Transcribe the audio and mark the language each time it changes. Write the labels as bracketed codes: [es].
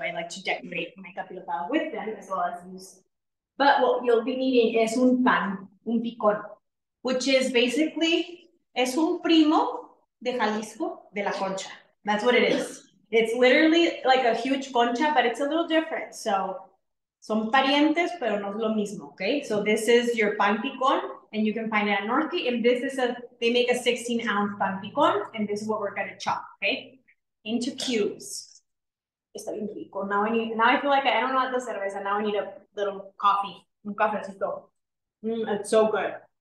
[en] I like to decorate my capirotada with them as well as use. But what you'll be needing is [es] un pan, un picor, [en] which is basically, [es] es un primo de Jalisco de la concha. [en] That's what it is. It's literally like a huge concha, but it's a little different. [es] So, son parientes, pero no es lo mismo, okay? [en] So this is your pan picón, and you can find it at Northgate. And this is they make a 16-ounce pan picón, and this is what we're gonna chop, okay? Into cubes. [es] Está bien rico. [en] Now I feel like I don't want the cerveza. Now I need a little coffee, [es] un cafecito. [en] It's so good.